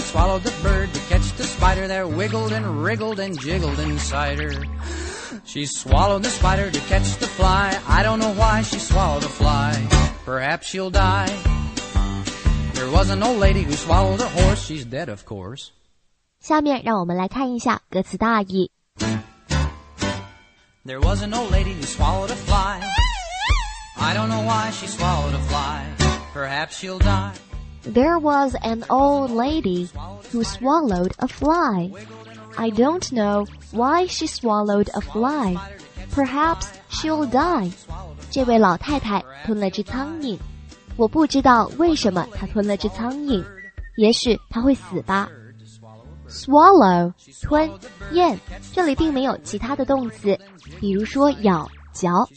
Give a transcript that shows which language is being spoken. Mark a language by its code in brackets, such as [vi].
[en] Swallowed the bird to catch the spider. There wiggled and wriggled and jiggled inside her. She swallowed the spider to catch the fly. I don't know why she swallowed a fly. Perhaps she'll die. There was an old lady who swallowed a horse. She's dead, of course. [zh] 下面让我们来看一下歌词大意。 [en] There was an old lady who swallowed a fly. I don't know why she swallowed a fly. Perhaps she'll die. There was an old lady who swallowed a fly. I don't know why she swallowed a fly. Perhaps she'll die. [zh] 这位老太太吞了只苍蝇。我不知道为什么她吞了只苍蝇。也许她会死吧。Swallow, 吞，咽。这里并没有其他的动词，比如说咬、嚼。